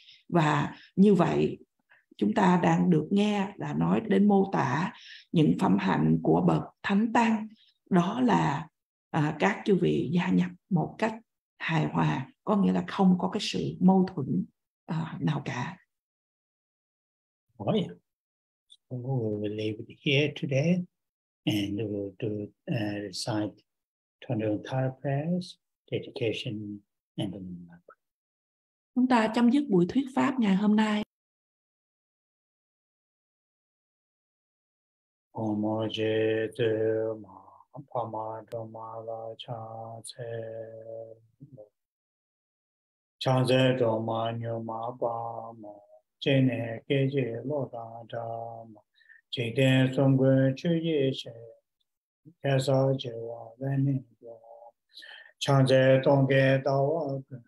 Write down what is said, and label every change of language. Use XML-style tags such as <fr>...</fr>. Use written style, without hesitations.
<vi>Và như vậy chúng ta đang được nghe là nói đến mô tả những phẩm hạnh của bậc Thánh Tăng, đó là các chư vị gia nhập một cách hài hòa, có nghĩa là không có cái sự mâu thuẫn nào cả.</vi> <en>Oh yeah. So we'll leave it here today and we'll do, recite Tonal Tara Prayers, Dedication and Enlightenment.</en> <vi>Chúng ta chấm dứt buổi thuyết pháp ngày hôm nay. Om Ajita Ma Pamada Mala Chate Chate Doma Nyuma Pama Chene Keje Loda Dama Chete Songwe Chuyye Che Kesa Jewa Vene Dwa Chate Tongke Dawa</vi>